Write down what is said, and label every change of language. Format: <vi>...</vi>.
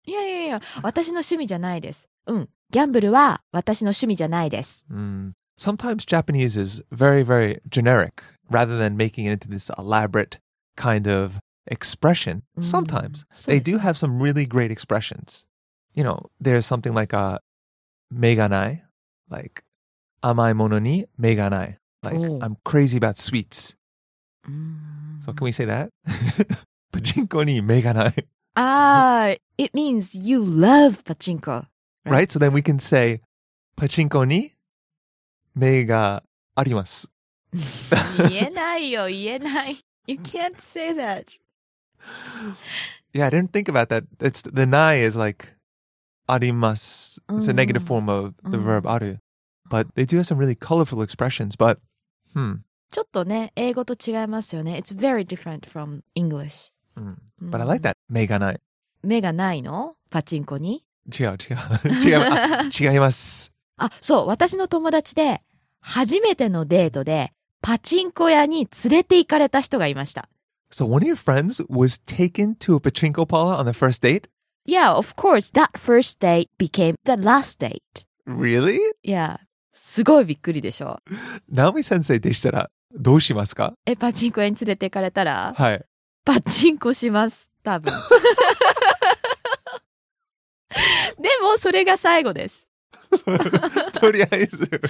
<ja>いやいやいや、私の趣味じゃないです。うん。ギャンブルは私の趣味じゃないです。</ja> <en>Sometimes Japanese is very, very generic, rather than making it into this elaborate kind of expression. Sometimes they do have some really great expressions. You know, there's something like a 目がない, like</en> <ja>甘いものに目がない,</ja> <en>like I'm crazy about sweets. So can we say that? Pachinko</en> <ja>に目がない.</ja> <en>It means you love pachinko. Right, so then we can say,</en> <ja>Pachinko ni me ga arimasu. 言えないよ、言えない。</ja> <en>You can't say that. Yeah, I didn't think about that. It's, the nai is like arimasu. It's a negative form of the verb aru. But they do have some really colorful expressions, but</en> <ja>ちょっとね、英語と違いますよね。</ja> <en>It's very different from English. But I like that,</en> <ja>me ga nai. Me ga nai no? Pachinko ni? 違う。違います。あ、そう、私の友達で、初めてのデートで、パチンコ屋に連れて行かれた人がいました。</ja> <en>So one of your friends was taken to a pachinko parlor on the first date? Yeah, of course, that first date became the last date. Really?</en> <ja>Yeah, すごいびっくりでしょ。ナオミ先生でしたら、どうしますか？え、パチンコ屋に連れて行かれたら、はい。パチンコします、多分。でもそれが最後です。とりあえず</ja>